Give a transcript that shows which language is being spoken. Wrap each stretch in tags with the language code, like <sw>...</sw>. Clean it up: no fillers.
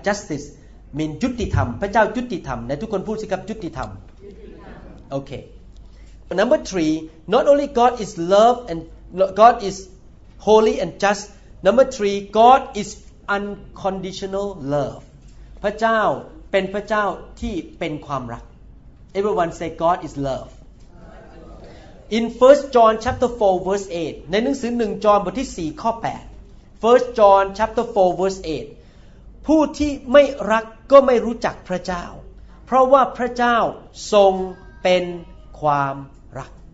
<en>Justice means</en> <th>ยุติธรรม พระเจ้ายุติธรรม ในทุกคนพูดสิครับ ยุติธรรม Okay.</th> <en>Number three, not only God is love and God is holy and just. Number three, God is unconditional love.</en> <th>พระเจ้าเป็นพระเจ้าที่เป็นความรัก</th> <en>Everyone say God is love. In 1 John chapter 4 verse 8,</en> <th>ในหนังสือ1 John บทที่4ข้อ81 John chapter 4 verse 8ผู้ที่ไม่รักก็ไม่รู้จักพระเจ้าเพราะว่าพระเจ้าทรงเป็นความรัก</th>